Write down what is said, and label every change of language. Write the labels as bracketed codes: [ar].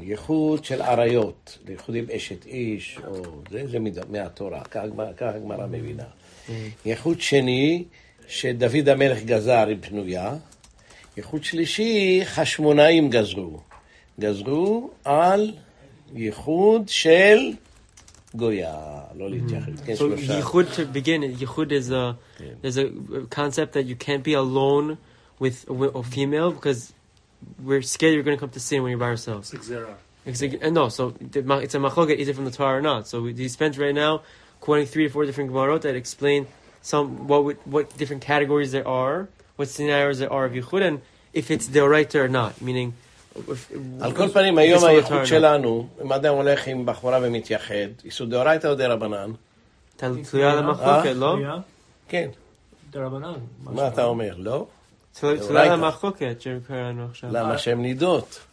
[he] ייחוד של עריות, ייחודים אשת איש, או זה מהתורה, כך הגמרא מבינה. ייחוד שני, שדוד המלך גזר עם פנויה. ייחוד שלישי, חשמונאים גזרו. גזרו על ייחוד של גויה, לא להתייחד. [en] ייחוד, to begin, ייחוד is a, there's a concept that you can't be alone with a female, because we're scared you're going to come to sin when you're by ourselves. It's a machloket, is it from the Torah or not? So we spent right now quoting 3 or 4 different gemarot that explain some what different categories there are, what scenarios there are of yichud, and if it's deoraita or not. Meaning, [he] על כל פנים, היום היחוד שלנו, אם אדם הולך עם בחורה ומתייחד, איסו דאורייתא או דרבנן? תלויה למחלוקת, לא? כן. דרבנן. מה אתה אומר, לא? תלויה למה חוקת שקראנו עכשיו. למה שהם נידות.